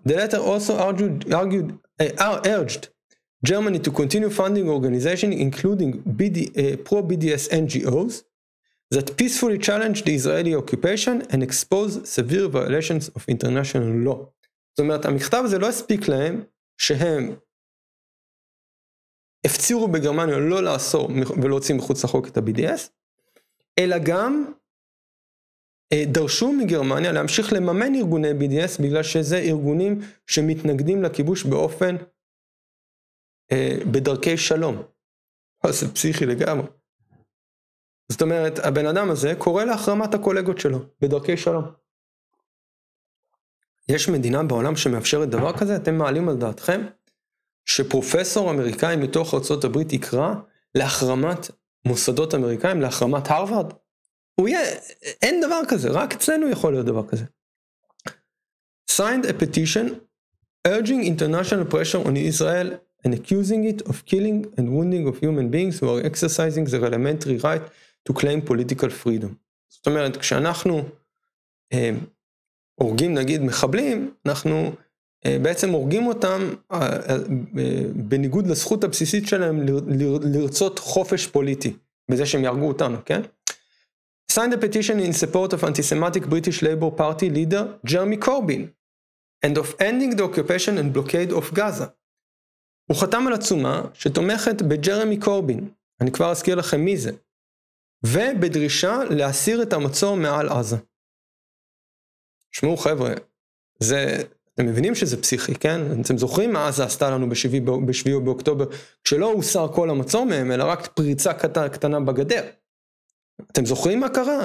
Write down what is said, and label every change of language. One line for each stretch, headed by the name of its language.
English: The letter also urged Germany to continue funding organization, including pro-BDS NGOs, that peacefully challenge the Israeli occupation and expose severe violations of international law.
Hebrew: זאת אומרת, המכתב הזה לא הספיק להם שהם הפצירו בגרמניה לא לעשור ולהוציא מחוץ לחוק את ה-BDS, אלא גם דרשו מגרמניה להמשיך לממן ארגוני BDS, בגלל שזה ארגונים שמתנגדים לכיבוש באופן, בדרכי שלום. זה פסיכי לגמרי. זאת אומרת, הבן אדם הזה קורא להחרמת הקולגות שלו בדרכי שלום. יש מדינה בעולם שמאפשרת דבר כזה? אתם מעלים על דעתכם שפרופסור אמריקאי מתוך ארצות הברית יקרא להחרמת מוסדות אמריקאים, להחרמת הרווארד? הוא יהיה, אין דבר כזה, רק אצלנו יכול להיות דבר כזה.
English: Signed a petition urging international pressure on Israel and accusing it of killing and wounding of human beings who are exercising their elementary right to claim political freedom.
Hebrew: זאת אומרת, כשאנחנו הורגים, נגיד, מחבלים, אנחנו בעצם הורגים אותם בניגוד לזכות הבסיסית שלהם לרצות חופש פוליטי, בזה שהם יהרגו אותנו, כן?
English: Signed a petition in support of anti-Semitic British Labour Party leader Jeremy Corbyn and of ending the occupation and blockade of Gaza.
Hebrew: הוא חתם על עצומה שתומכת בג'רמי קורבין, אני כבר אזכיר לכם מי זה, ובדרישה להסיר את המצור מעל עזה. שמעו חבר'ה, זה, אתם מבינים שזה פסיכי, כן? אתם זוכרים מה זה עשתה לנו בשביעי באוקטובר, כשלא הוסר כל המצור מהם, אלא רק פריצה קטנה בגדר. אתם זוכרים מה קרה?